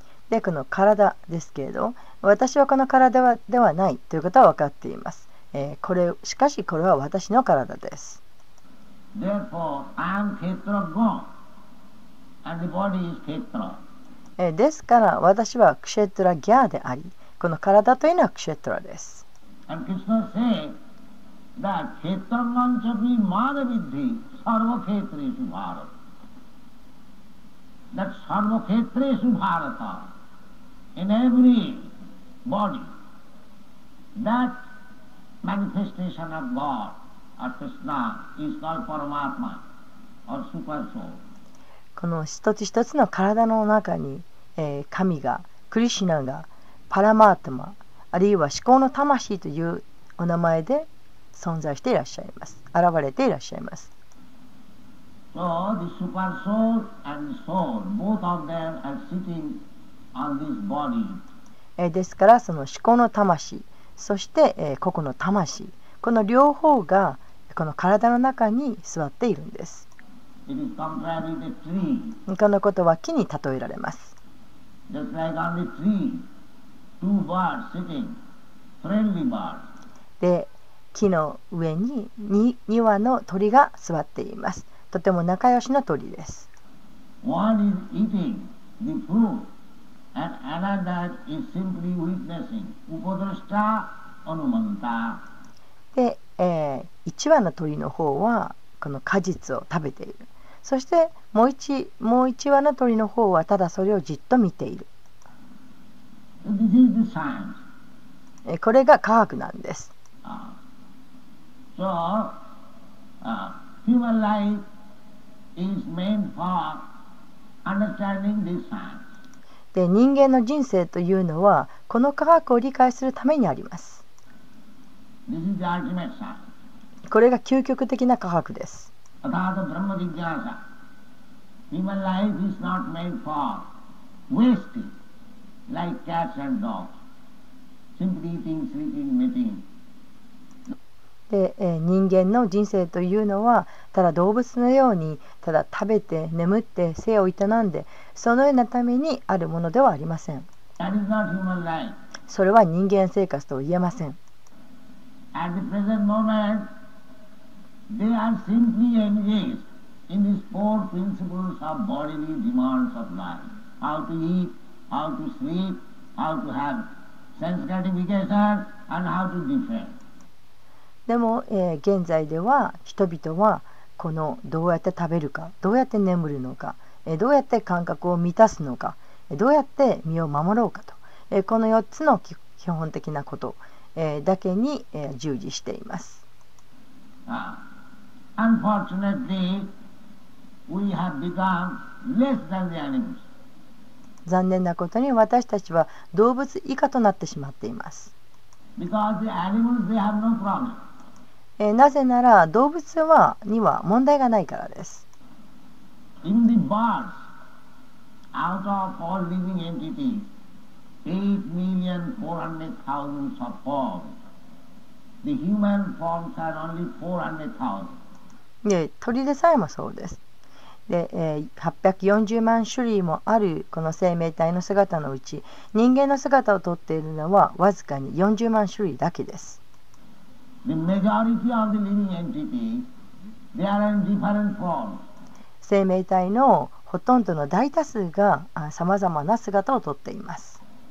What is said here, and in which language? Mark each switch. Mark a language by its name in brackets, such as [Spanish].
[Japanese] で、この体ですけれど、私はこの体ではないということは分かっています。これ、しかしこれは私の体です。 [English] Therefore, I am Khetra Gun, and the body is Khetra. [Japanese] ですから、私はクシェトラギャーであり、この体というのはクシェトラです。 [English] And Krishna said,That [Sanskrit] Khetra Manchapi Madhavidhi Sarva Khetresu Bharata. [English] That [Sanskrit] Sarva Khetresu Bharata [English] in every body. That manifestation of God or Krishna is called Paramatma or Super Soul. [Japanese] この一つ一つの体の中に、神が、クリシナが、パラマートマ、あるいは思考の魂というお名前で存在していらっしゃいます。現れていらっしゃいます。 [English] So the super soul and the soul both of them are sitting on this body. [Japanese] ですから、その思考の魂、そして個々の魂、この両方がこの体の中に座っているんです。 [English] It is compared with the tree. [Japanese] このことは木に例えられます。 [English] Just like on the tree two birds sitting friendly birds. [Japanese] で、木の上に2羽の鳥が座っています。とても仲良しの鳥です。 [English] One is eating the fruit and another is simply witnessing [Sanskrit] Upadrashta Anumanta. [Japanese] で、1羽の鳥の方はこの果実を食べている。そしてもう1羽の鳥の方はただそれをじっと見ている。 [English] This is the science. [Japanese] これが科学なんです。 [English] So, human life is meant for understanding this science. [Japanese] で、人間の人生というのはこの科学を理解するためにあります。 [English] This is the ultimate science. [Japanese] これが究極的な科学です。 [Sanskrit] Adhata Brahma Vijnana. [English] Human life is not meant for wasting like cats and dogs. Simply eating, sleeping, meeting. [Japanese] で、人間の人生というのはただ動物のようにただ食べて眠って生を営んで、そのようなためにあるものではありません。 [English] That is not human life. [Japanese] それは人間生活と言えません。 [English] At the present moment, they are simply engaged in these four principles of bodily demands of life. How to eat, how to sleep, how to have sense gratification, and how to defend. [Japanese] でも、現在では人々はこのどうやって食べるか、どうやって眠るのか、どうやって感覚を満たすのか、どうやって身を守ろうかと、この4つの基本的なことだけに従事しています。 [English] Unfortunately, we have become less than the animals. [Japanese] 残念なことに私たちは動物以下となってしまっています。 [English] Because the animals, they have no problem. [Japanese] なぜなら動物には問題がないからです。 [English] Even the birds, out of all living entities, 8,400,000 of birds, the human forms are only 400,000. [Japanese] で、鳥でさえもそうです。で、840万種類もあるこの生命体の姿のうち、人間の姿をとっているのはわずかに40万種類だけです。 [English] The majority of the living entities, they are in different forms. [Japanese] 生命体のほとんどの大多数がさまざまな姿をとっています。